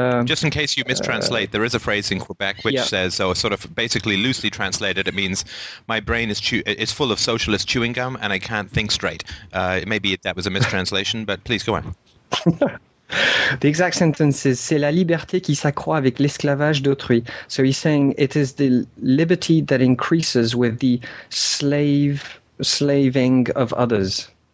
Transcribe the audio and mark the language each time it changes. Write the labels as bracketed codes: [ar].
[en] Just in case you mistranslate, there is a phrase in Quebec which says, so sort of basically loosely translated, it means my brain is full of socialist chewing gum and I can't think straight. Maybe that was a mistranslation, but please go on. The exact sentence is [fr] "C'est la liberté qui s'accroît avec l'esclavage d'autrui." [en] So he's saying it is the liberty that increases with the slaving of others.